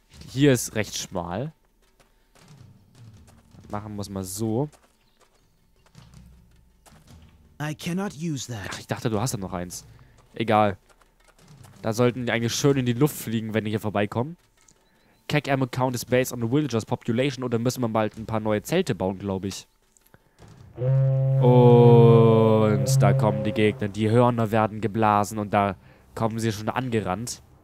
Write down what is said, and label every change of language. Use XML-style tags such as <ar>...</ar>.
<de>Hier ist recht schmal. Machen wir es mal so.</de> <en>I cannot use that.</en> <de>Ich dachte, du hast da noch eins. Egal. Da sollten die eigentlich schön in die Luft fliegen, wenn die hier vorbeikommen.</de> <en>Keck Ammo Count is based on the Villagers Population.</en> <de>Oder müssen wir bald ein paar neue Zelte bauen, glaube ich. Und da kommen die Gegner. Die Hörner werden geblasen und da kommen sie schon angerannt.</de>